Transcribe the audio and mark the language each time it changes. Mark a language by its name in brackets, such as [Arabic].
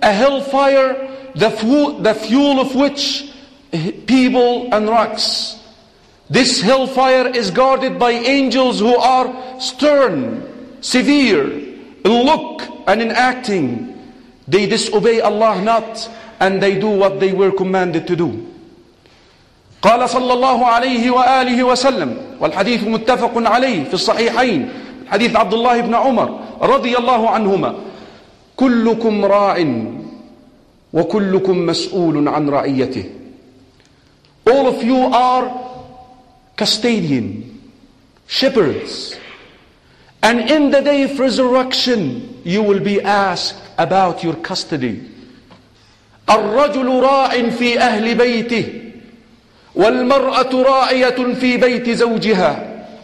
[English] a hellfire, the fuel of which people and rocks. This hellfire is guarded by angels who are stern, severe in look and in acting. They disobey Allah not, and they do what they were commanded to do. [Arabic] قال صلى الله عليه وآله وسلم والحديث متفق عليه في الصحيحين حديث عبد الله بن عمر رضي الله عنهما كلكم راع وكلكم مسؤول عن رعيته. [English] All of you are custodian, shepherds, and in the day of resurrection you will be asked about your custody. [Arabic] الرجل راع في أهل بيته والمرأة راعية في بيت زوجها.